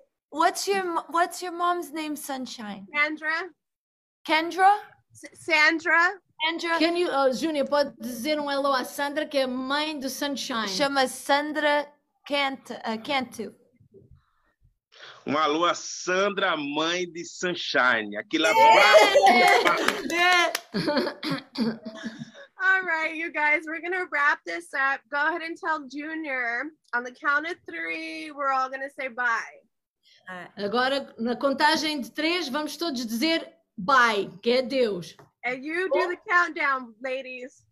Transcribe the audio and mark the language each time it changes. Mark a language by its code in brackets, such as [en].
[en] What's your mom's name, Sunshine? Sandra? Sandra. Can you, [pt] Junior, pode dizer um hello a Sandra, que é mãe do Sunshine. Chama Sandra Cantu. Um alô a Sandra, mãe de Sunshine. Aquilo abraço. [en] All right, you guys, we're going to wrap this up. Go ahead and tell Junior, on the count of three, we're all going to say bye. [pt] Agora, na contagem de três, vamos todos dizer bye, que é Deus. [en] And you do the countdown, ladies.